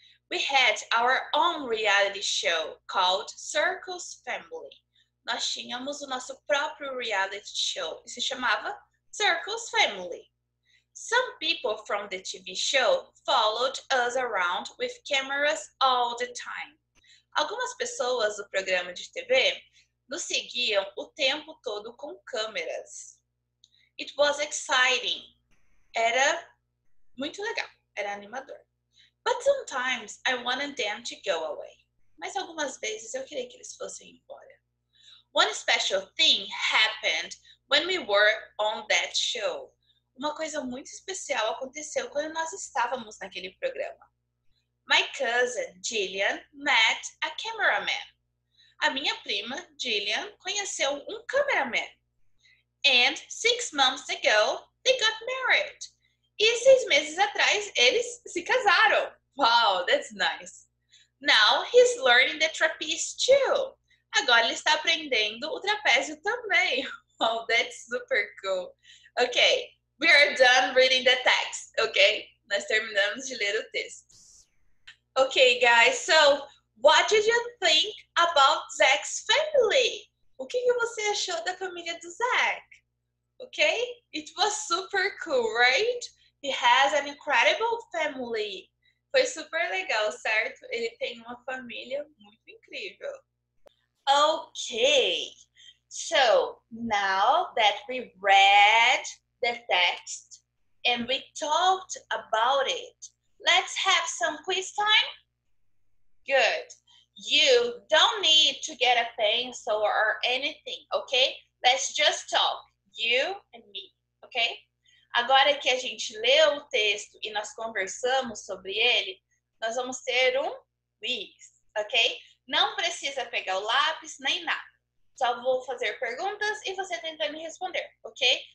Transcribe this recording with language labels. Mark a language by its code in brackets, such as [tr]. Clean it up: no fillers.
[en] We had our own reality show called Circus Family. [pt] Nós tínhamos o nosso próprio reality show e se chamava Circus Family. [en] Some people from the TV show followed us around with cameras all the time. [pt] Algumas pessoas do programa de TV nos seguiam o tempo todo com câmeras. [en] It was exciting. [pt] Era muito legal, era animador. [en] But sometimes I wanted them to go away. [pt] Mas algumas vezes eu queria que eles fossem embora. [en] One special thing happened when we were on that show. [pt] Uma coisa muito especial aconteceu quando nós estávamos naquele programa. [en] My cousin, Jillian, met a cameraman. [pt] A minha prima, Jillian, conheceu um cameraman. [en] And 6 months ago, they got married. [pt] E 6 meses atrás, eles se casaram. [en] Wow, that's nice. Now, he's learning the trapeze too. [pt] Agora, ele está aprendendo o trapézio também. [en] Wow, that's super cool. Okay, we are done reading the text, okay? [pt] Nós terminamos de ler o texto. [en] Okay, guys, so what did you think about Zach's family? [pt] O que você achou da família do Zach? [en] Okay, it was super cool, right? He has an incredible family. [pt] Foi super legal, certo? Ele tem uma família muito incrível. [en] Okay. So, now that we read the text and we talked about it, let's have some quiz time? Good. You don't need to get a pencil or anything, okay? Let's just talk, you and me, okay? [pt] Agora que a gente leu o texto e nós conversamos sobre ele, nós vamos ter um quiz, ok? Não precisa pegar o lápis nem nada. Só vou fazer perguntas e você tenta me responder, ok?